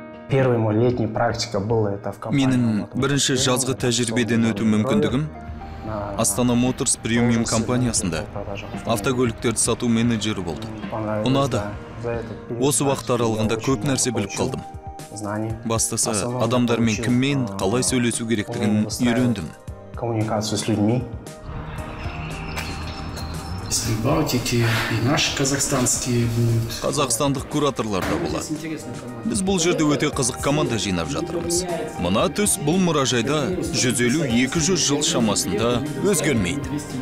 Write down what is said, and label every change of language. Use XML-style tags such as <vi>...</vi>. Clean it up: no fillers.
<ru>Первый мой летний практика был это в компании.</ru> <kk>Менің бірінші жазғы тәжірибеден өту мүмкіндігім Астана Моторс премиум компаниясында автокөліктерді сату менеджері болды. Ұнады. Осы уақыт аралығында көп нәрсе біліп қалдым. Бастысы, адамдармен кіммен қалай сөйлесу керектігін үйрендім.</kk> <ru>Коммуникация с людьми. Балтики и наши казахстанские будут.</ru> <kk>Қазақстандық кураторлар да болады. Біз бұл жерде өте қызық команда жинап жатырмыз. Мына түс бұл мұражайда 150-200 жыл шамасында өзгермейді.</kk>